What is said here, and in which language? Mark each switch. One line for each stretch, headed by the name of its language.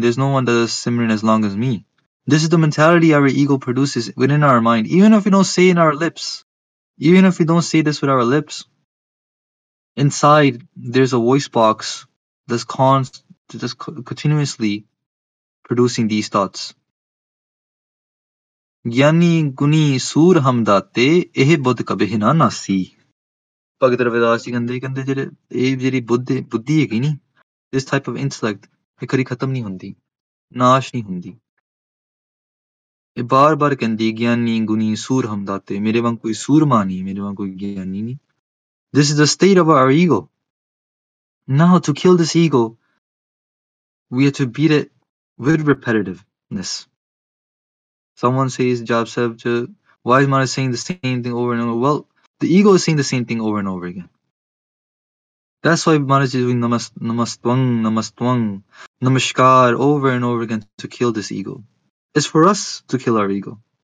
English: There's no one that does simran as long as me. This is the mentality our ego produces within our mind. Even if we don't say in our lips, even if we don't say this with our lips, inside there's a voice box that's continuously producing these thoughts.
Punjabi: ਗਿਆਨੀ ਗੁਣੀ ਸੂਰ ਹਮਦਾਤੇ ਇਹ ਬੁੱਧ ਕਬੇ ਨਾ ਨਾਸੀ। ਭਗਤ ਰਵਿਦਾਸ ਜੀ ਕਹਿੰਦੇ ਜਿਹੜੇ ਇਹ ਜਿਹੜੀ ਬੁੱਧੀ ਹੈਗੀ ਨੀ,
English: this type of intellect,
Punjabi: ਇਹ ਕਦੀ ਖਤਮ ਨੀ ਹੁੰਦੀ, ਨਾਸ਼ ਨੀ ਹੁੰਦੀ। ਇਹ ਬਾਰ ਬਾਰ ਕਹਿੰਦੀ ਗਿਆਨੀ ਗੁਣੀ ਸੂਰ ਹਮਦਾਤੇ, ਮੇਰੇ ਵਾਂਗ ਕੋਈ ਸੂਰਮਾ ਨੀ, ਮੇਰੇ ਵਾਂਗ ਕੋਈ ਗਿਆਨੀ ਨੀ।
English: This is the state of our ego, now to kill this ego we have to beat it with repetitiveness. Someone says, Jab Sahib, why is Maharaj saying the same thing over and over? Well, the ego is saying the same thing over and over again. That's why Maharaj is doing namastvang, namastvang, namaskar over and over again to kill this ego. It's for us to kill our ego.